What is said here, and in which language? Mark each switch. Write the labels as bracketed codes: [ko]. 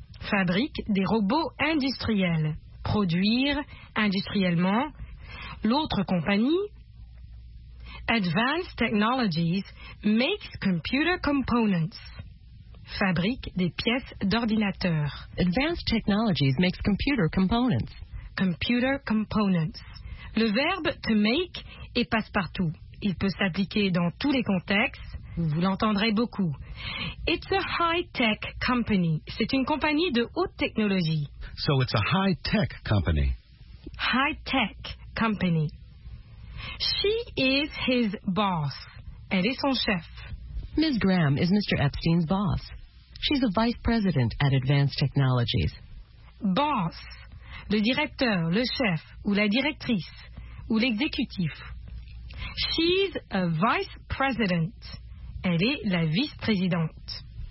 [fr] Fabrique des robots industriels. Produire industriellement. L'autre compagnie, Advanced Technologies [en] makes computer components. [fr] Fabrique des pièces d'ordinateur. [en] Advanced Technologies makes computer components. Computer components. [fr] Le verbe to make est passe-partout. Il peut s'appliquer dans tous les contextes. Vous l'entendrez beaucoup. [en] It's a high-tech company. [fr] C'est une compagnie de haute technologie. [en] So it's a high-tech company. High-tech company. She is his boss. [fr] Elle est son chef. [en] Ms. Graham is Mr. Epstein's boss. She's a vice president at Advanced Technologies. Boss. [fr] Le directeur, le chef, ou la directrice, ou l'exécutif. [en] She's a vice president. [fr] Elle est la vice-présidente.